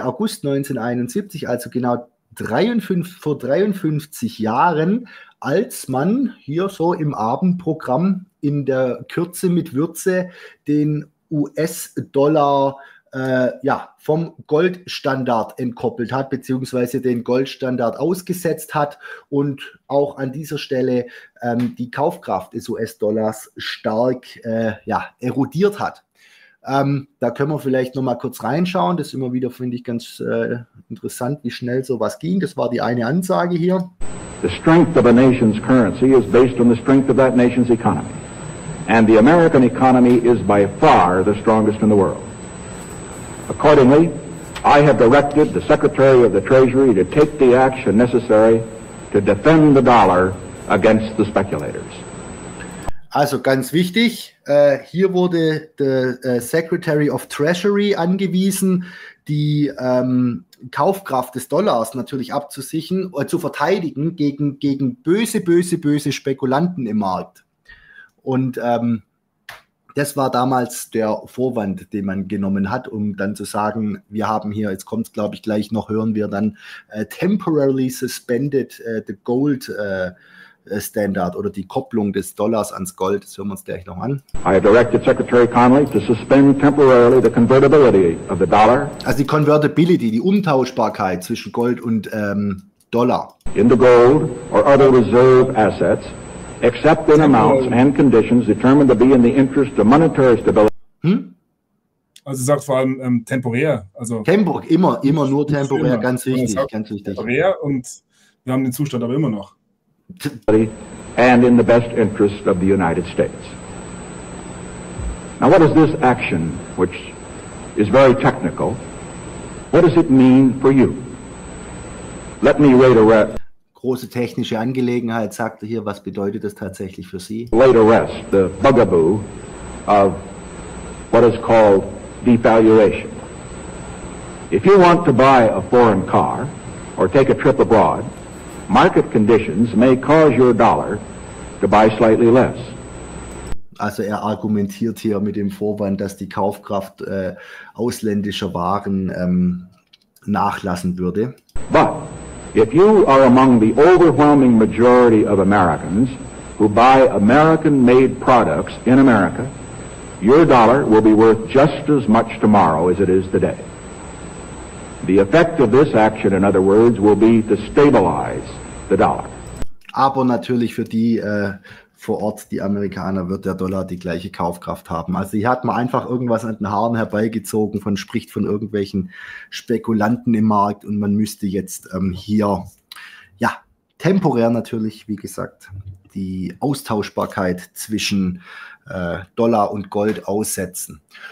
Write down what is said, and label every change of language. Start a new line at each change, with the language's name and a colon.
German: August 1971, also genau vor 53 Jahren, als man hier so im Abendprogramm in der Kürze mit Würze den US-Dollar vom Goldstandard entkoppelt hat, beziehungsweise den Goldstandard ausgesetzt hat und auch an dieser Stelle die Kaufkraft des US-Dollars stark erodiert hat. Da können wir vielleicht nochmal kurz reinschauen. Das ist immer wieder, finde ich, ganz interessant, wie schnell sowas ging. Das war die eine Ansage hier.
English: The strength of a nation's currency is based on the strength of that nation's economy. And the American economy is by far the strongest in the world. Accordingly, I have directed the Secretary of the Treasury to take the action necessary to defend the dollar against the speculators.
German: Also ganz wichtig, hier wurde der Secretary of Treasury angewiesen, die Kaufkraft des Dollars natürlich abzusichern, zu verteidigen gegen böse, böse, böse Spekulanten im Markt. Und das war damals der Vorwand, den man genommen hat, um dann zu sagen, wir haben hier, jetzt kommt es glaube ich gleich noch, hören wir dann,
English: temporarily suspended the gold Standard
German: oder die Kopplung des Dollars ans Gold. Das hören wir uns gleich noch an.
English: I have directed Secretary Connally to suspend temporarily the convertibility of the dollar.
German: Also die Convertibility, die Umtauschbarkeit zwischen Gold und Dollar.
English: In the gold or other reserve assets, except in amounts and conditions determined to be in the interest of monetary stability.
German: Also sagt vor allem temporär. Also immer nur temporär, ganz wichtig. Temporär und wir haben den Zustand aber immer noch.
English: And in the best interest of the United States. Now, what is this action, which is very technical, what does it mean for you? Let me later rest.
German: Große technische Angelegenheit, sagt er hier, was bedeutet das tatsächlich für Sie?
English: Later rest, the bugaboo of what is called devaluation. If you want to buy a foreign car or take a trip abroad, market conditions may cause your dollar to buy slightly less.
German: Also er argumentiert hier mit dem Vorwand, dass die Kaufkraft ausländischer Waren nachlassen würde.
English: But if you are among the overwhelming majority of Americans who buy American-made products in America, your dollar will be worth just as much tomorrow as it is today. The effect of this action, in other words, will be to stabilize the dollar.
German: Aber natürlich für die vor Ort die Amerikaner, wird der Dollar die gleiche Kaufkraft haben. Also hier hat man einfach irgendwas an den Haaren herbeigezogen, von spricht von irgendwelchen Spekulanten im Markt und man müsste jetzt hier, ja, temporär natürlich, wie gesagt, die Austauschbarkeit zwischen Dollar und Gold aussetzen.